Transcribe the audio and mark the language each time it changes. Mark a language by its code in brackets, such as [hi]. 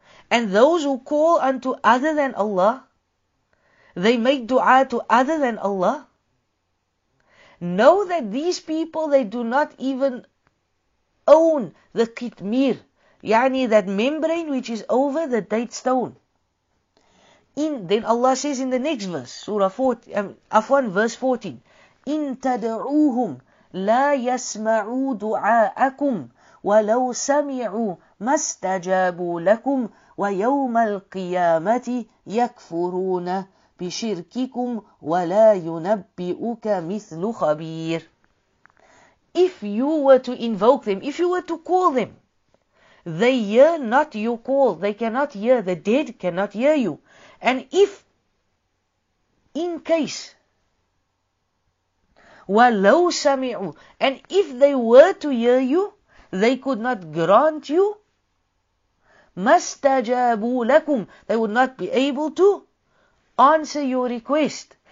[en] And those who call unto other than Allah, they make dua to other than Allah. Know that these people, they do not even own the qitmir, yani that membrane which is over the date stone. Then Allah says in the next verse, verse 14, [ar] إِن تَدْعُوهُمْ لا يسمعوا دعاءكم ولو سمعوا ما استجابوا لكم ويوم القيامة يكفرون بشرككم ولا ينبئك مثل خبير. [en] If you were to invoke them, if you were to call them, they hear not your call, they cannot hear, the dead cannot hear you. And if, in case, [ar] وَلَوْ سَمِعُوا, [en] and if they were to hear you, they could not grant you, [ar] مَسْتَجَابُوا لَكُمْ, [en] they would not be able to answer your request.